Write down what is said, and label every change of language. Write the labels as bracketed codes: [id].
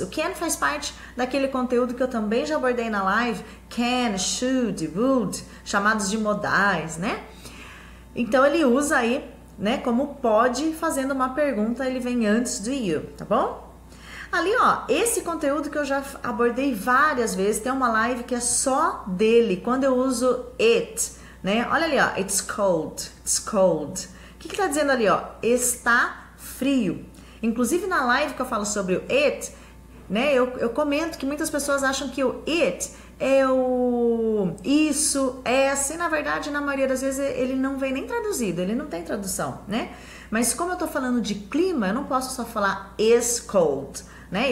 [pt] O can faz parte daquele conteúdo que eu também já abordei na live, can, should, would, chamados de modais, né? Então, ele usa aí, né, como pode, fazendo uma pergunta, ele vem antes do you, tá bom? Ali, ó, esse conteúdo que eu já abordei várias vezes, tem uma live que é só dele, quando eu uso it, né? Olha ali, ó, [en] it's cold, it's cold. [pt] O que que tá dizendo ali, ó? Está frio. Inclusive, na live que eu falo sobre o it, né, eu comento que muitas pessoas acham que o it é o isso, é assim. Na verdade, na maioria das vezes, ele não vem nem traduzido, ele não tem tradução, né? Mas como eu tô falando de clima, eu não posso só falar [en] is cold, [pt] né?